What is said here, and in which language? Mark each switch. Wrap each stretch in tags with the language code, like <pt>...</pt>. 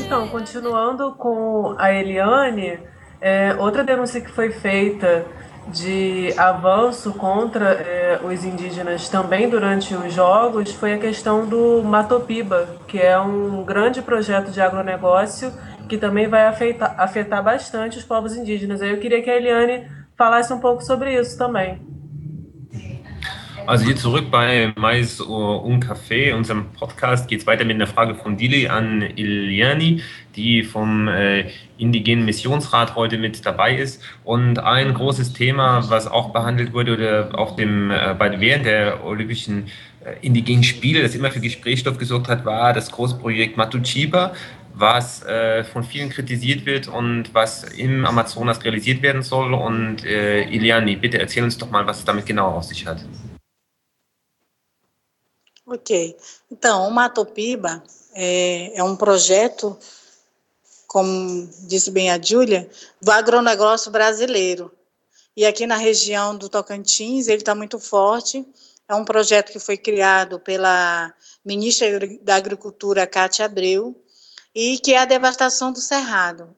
<pt>Continuando com a Eliane, outra denúncia que foi feita de avanço contra os indígenas também durante os jogos foi a questão do Matopiba, que é um grande projeto de agronegócio que também vai afetar bastante os povos indígenas. Aí eu queria que a Eliane falasse um pouco sobre isso também.</pt> <de>Also hier zurück bei Mais un Café, unserem Podcast, geht es weiter mit einer Frage von Dili an Eliani, die vom Indigenen Missionsrat heute mit dabei ist. Und ein großes Thema, was auch behandelt wurde oder auch während der Olympischen Indigenen Spiele, das immer für Gesprächsstoff gesorgt hat, war das Großprojekt Matuchiba, was von vielen kritisiert wird und was im Amazonas realisiert werden soll. Und Eliani, bitte erzähl uns doch mal, was es damit genau auf sich hat.</de> <pt>Ok. Então, o Matopiba é um projeto, como disse bem a Júlia, do agronegócio brasileiro. E aqui na região do Tocantins, ele está muito forte. É um projeto que foi criado pela ministra da Agricultura, Cátia Abreu, e que é a devastação do Cerrado.</pt>